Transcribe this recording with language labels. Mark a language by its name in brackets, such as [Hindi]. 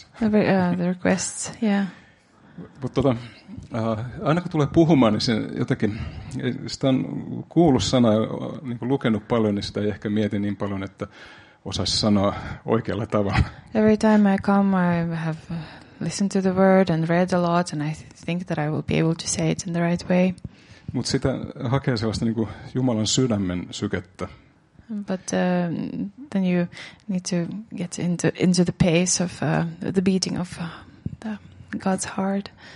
[English] The requests, yeah. [Finnish] Mutta aina kun tulee puhumaan, niin se jotenkin, sitä on kuullut sana ja niin kuin lukenut paljon, niin sitä ei ehkä mieti niin paljon, että osaisi sanoa oikealla tavalla. [English] Every time I come, I have listened to the word and read a lot, and I think that I will be able to say it in the right way. [Finnish] Mutta sitä hakee sellaista niin kuin Jumalan sydämen sykettä. [English] But then you need to get into the pace of the beating of the God's heart.